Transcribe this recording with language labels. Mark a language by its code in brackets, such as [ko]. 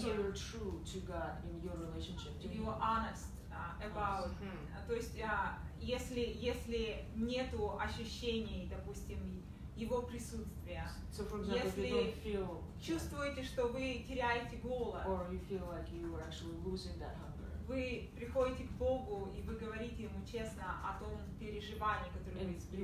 [en] So you're true to God in your relationship. You are honest about. Mm-hmm. [ru] То есть если нету ощущений, допустим, Его присутствия. [en] So, for example, [ru] если чувствуете, что вы теряете голод, [en] or you feel like you are actually losing that hunger, [ru] вы приходите к Богу и вы говорите Ему честно о том переживании, которое вы испытываете.